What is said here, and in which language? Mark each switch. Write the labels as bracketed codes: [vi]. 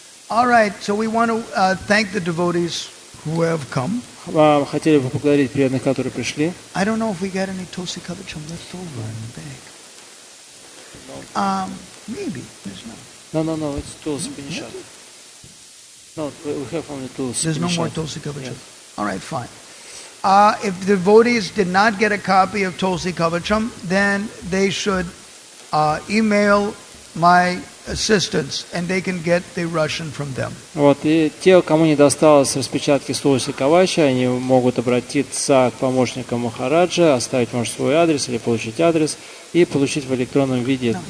[en] All right, so we want to thank the devotees who have come. [ru] Хотели бы поблагодарить преданных, которые пришли. [en] I don't know if we got any Tulsi Kavacham left over in the bag. Maybe there's none. No, it's Tulsi Kavacham. No, we have only Tulsi. There's no more Tulsi Kavacham. Yeah. All right, fine. If the devotees did not get a copy of Tulsi Kavacham, then they should email my assistants and they can get the Russian from them. [ru] Вот, и те, кому не досталось распечатки Тулси Кавача, они могут обратиться к помощникам Махараджа, оставить, может, свой адрес или получить адрес и получить в электронном виде это.